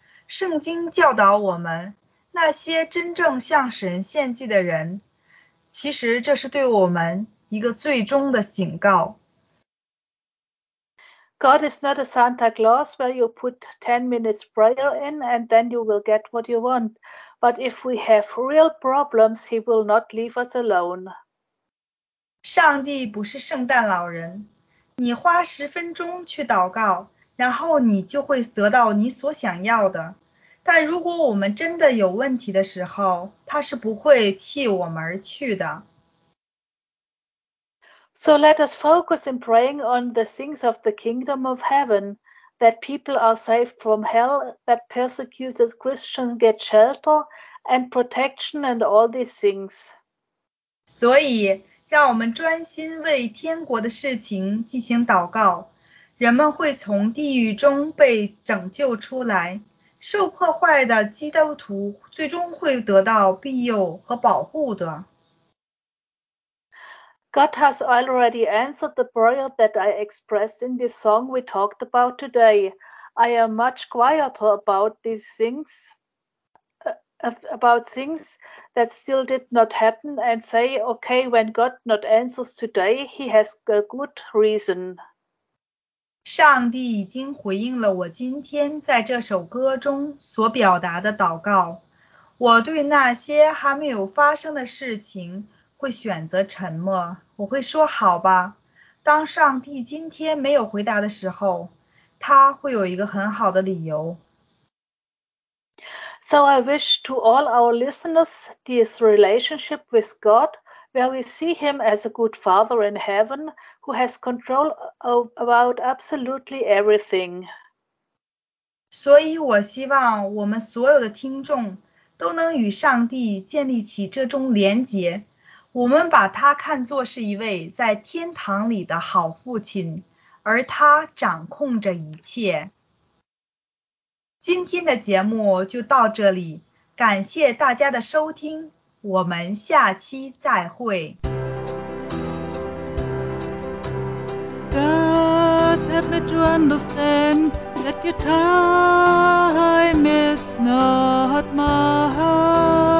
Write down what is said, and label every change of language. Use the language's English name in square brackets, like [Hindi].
[Chinese] 圣经教导我们，那些真正向神献祭的人，其实这是对我们一个最终的警告。 [English] God is not a Santa Claus where you put 10 minutes prayer in and then you will get what you want. But if we have real problems, he will not leave us alone. [Chinese] 上帝不是圣诞老人，你花十分钟去祷告，然后你就会得到你所想要的。但如果我们真的有问题的时候，他是不会弃我们而去的。 [English] So let us focus in praying on the things of the kingdom of heaven, that people are saved from hell, that persecuted Christians get shelter and protection and all these things. [Chinese] 所以让我们专心为天国的事情进行祷告，人们会从地狱中被拯救出来，受破坏的基督徒最终会得到庇佑和保护的。 [English] God has already answered the prayer that I expressed in the song we talked about today. I am much quieter about these things, about things that still did not happen, and say, okay, when God not answers today, he has a good reason. [Chinese] 上帝已经回应了我今天在这首歌中所表达的祷告。我对那些还没有发生的事情会选择沉默，我会说好吧。当上帝今天没有回答的时候，他会有一个很好的理由。 [English] So I wish to all our listeners this relationship with God, where we see him as a good father in heaven, who has control about absolutely everything. [Chinese] 所以我希望我们所有的听众都能与上帝建立起这种连结。我们把他看作是一位在天堂里的好父亲，而他掌控着一切。今天的节目就到这里，感谢大家的收听，我们下期再会。 [English] God, help me to understand that your time is not mine.